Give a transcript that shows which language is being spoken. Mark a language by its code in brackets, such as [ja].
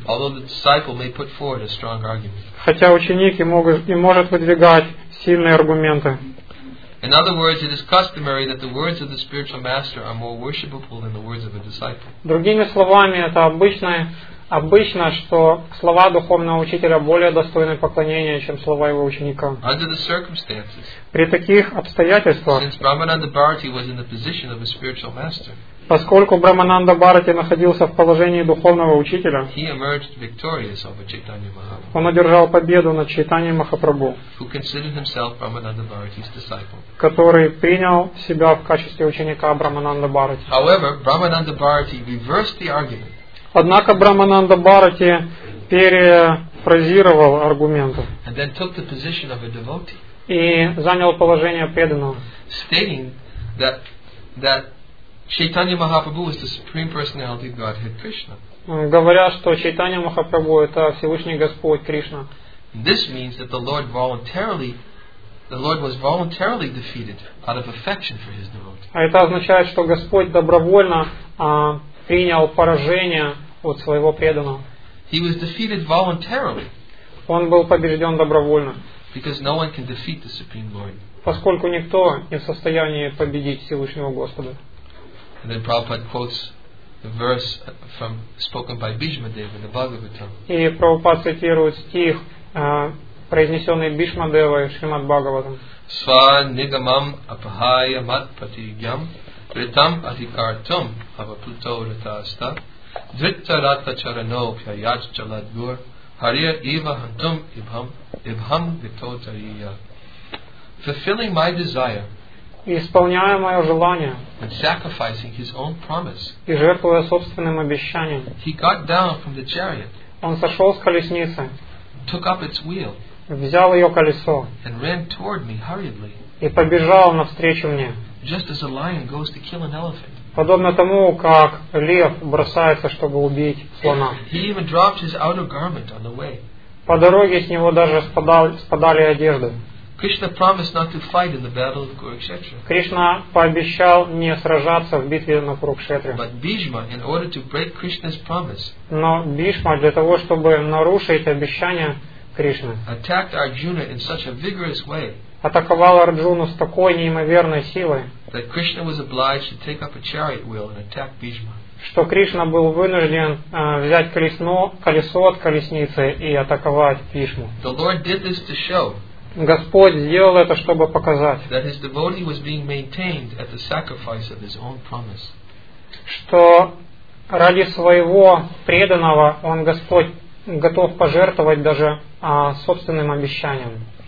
[ru] Хотя ученик и может выдвигать сильные аргументы. [en] In other words, it is customary that the words of the spiritual master are more worshipable than the words of a disciple. [ru] Другими словами, это обычно, что слова духовного учителя более достойны поклонения, чем слова его ученика. [en] Under the circumstances, [ru] при таких обстоятельствах, [en] since Brahmananda Bharati was in the position of a spiritual master, [ru] поскольку Брахмананда Бхарати находился в положении духовного учителя, [en] he emerged victorious over Chaitanya Mahaprabhu, [ru] он одержал победу над Чайтаньей Махапрабху, [en] who considered himself Brahmananda Bharati's disciple, [ru] который принял себя в качестве ученика Брахмананда Бхарати. [en] However, Brahmananda Bharati reversed the argument. [ru] Однако Брахмананда Бхарати перефразировал аргументы [en] and then took the position of a devotee, [ru] и занял положение преданного, [en] stating that Chaitanya Mahaprabhu is the supreme personality of Godhead Krishna. [ru] Говоря, что Чайтанья Махапрабху это Всевышний Господь Кришна. [en] This means that the Lord was voluntarily defeated out of affection for his devotee. [ru] А это означает, что Господь добровольно принял поражение от своего преданного. [en] He was defeated voluntarily. [ru] Он был побежден добровольно. [en] Because no one can defeat the supreme Lord. [ru] Поскольку никто не в состоянии победить Всевышнего Господа. [en] And then Prabhupada quotes verse from spoken by Bhishma Deva in the Bhagavatam. [ru] И Прабхупад цитирует стих, произнесенный Бишма Девой в Шримад Бхагаватам. [sa] Сва нигамам апахая мат патигям ритам атикартум авапуто ритаста дритта ратта чарано пьяяч чаладгур хария ива хантум ибхам витотария. [en] Fulfilling my desire, [ru] исполняя мое желание, [en] and sacrificing his own promise, [ru] и жертвуя собственным обещанием, [en] he got down from the chariot, [ru] он сошел с колесницы, [en] took up its wheel, [ru] взял ее колесо, [en] and ran toward me hurriedly, [ru] и побежал навстречу мне, [en] just as a lion goes to kill an elephant, [ru] подобно тому, как лев бросается, чтобы убить слона. [en] He even dropped his outer garment on the way. [ru] По дороге с него даже спадали одежды. [en] Krishna promised not to fight in the battle of Kurukshetra. [ru] Кришна пообещал не сражаться в битве на Курукшетре. [en] But Bhishma, in order to break Krishna's promise, [ru] но Бишма для того, чтобы нарушить обещание Кришны, [en] attacked Arjuna in such a vigorous way, [ru] атаковал Арджуну с такой неимоверной силой, [en] that Krishna was obliged to take up a chariot wheel and attack Bhishma. [ru] Что Кришна был вынужден взять колесо от колесницы и атаковать Бишму. [en] The Lord did this to show, [ru] Господь сделал это, чтобы показать, что ради своего преданного он, Господь, готов пожертвовать даже собственным обещанием.